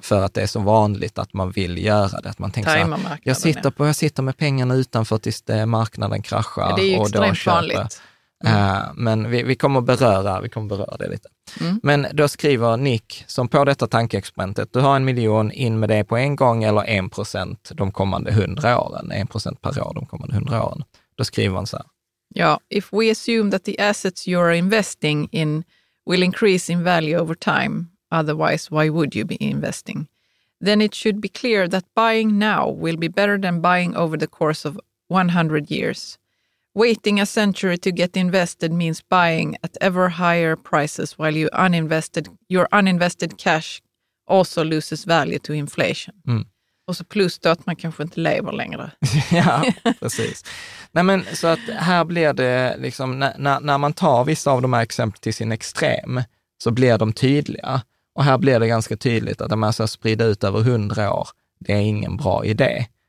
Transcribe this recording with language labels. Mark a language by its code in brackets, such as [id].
[sv] För att det är så vanligt att man vill göra det. Att man tänker såhär, jag sitter med pengarna utanför tills marknaden kraschar. Det är ju extremt och då vanligt. Men vi kommer beröra det lite. Men då skriver Nick, som på detta tankeexperimentet, du har 1 miljon in med det på en gång eller 1% de kommande 100 åren, 1% per år de kommande 100 åren. Då skriver han så här. [en] Ja, if we assume that the assets you are investing in will increase in value over time, otherwise why would you be investing? Then it should be clear that buying now will be better than buying over the course of 100 years. Waiting a century to get invested means buying at ever higher prices while your uninvested cash also loses value to inflation. Mm. [sv] Och så plus då att man kanske inte lever längre. Ja, precis. Nej, men så att här blir det liksom, när man tar vissa av de här exemplen till sin extrem, så blir de tydliga. Och här blir det ganska tydligt att om man ska sprida ut över 100 år, det är ingen bra idé.